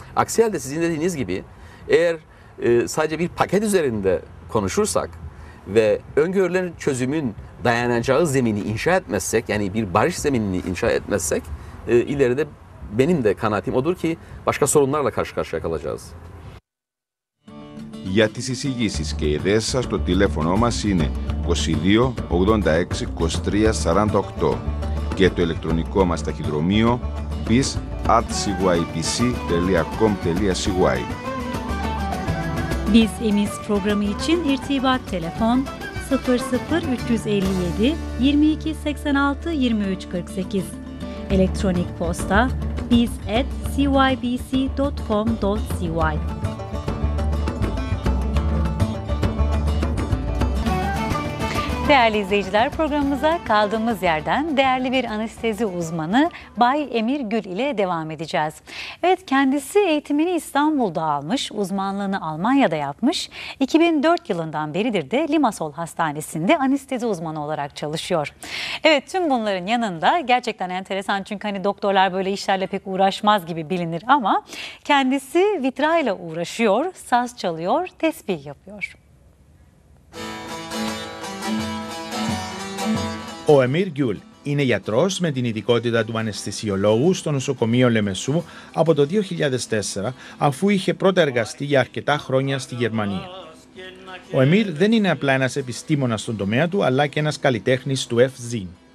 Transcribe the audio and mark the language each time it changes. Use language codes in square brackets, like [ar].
[tr] Aksi halde sizin dediğiniz gibi eğer sadece bir paket üzerinde konuşursak ve öngörülen çözümün dayanacağı zemini inşa etmezsek, yani bir barış zeminini inşa etmezsek ileride benim de kanaatim odur ki başka sorunlarla karşı karşıya kalacağız. [el] Για τις εισηγήσεις και ιδέες σας το τηλέφωνο μας είναι 22 86 23 48 και το ηλεκτρονικό μας ταχυδρομείο biz@cyprus.com.cy. [tr] Biz Emis programı için irtibat telefon 00 357 22 86 23 48. Elektronik posta biz@cyprus.com.cy. Değerli izleyiciler, programımıza kaldığımız yerden değerli bir anestezi uzmanı Bay Emir Gül ile devam edeceğiz. Evet, kendisi eğitimini İstanbul'da almış, uzmanlığını Almanya'da yapmış. 2004 yılından beridir de Limassol Hastanesi'nde anestezi uzmanı olarak çalışıyor. Evet, tüm bunların yanında gerçekten enteresan, çünkü hani doktorlar böyle işlerle pek uğraşmaz gibi bilinir ama kendisi vitrayla uğraşıyor, saz çalıyor, tesbih yapıyor. [el] Ο Εμίρ Γκιούλ είναι γιατρός με την ειδικότητα του αναισθησιολόγου στο νοσοκομείο Λεμεσού από το 2004, αφού είχε πρώτα εργαστεί για αρκετά χρόνια στη Γερμανία. Ο Εμίρ δεν είναι απλά ένας επιστήμονας στον τομέα του, αλλά και ένας καλλιτέχνης του F-Zin.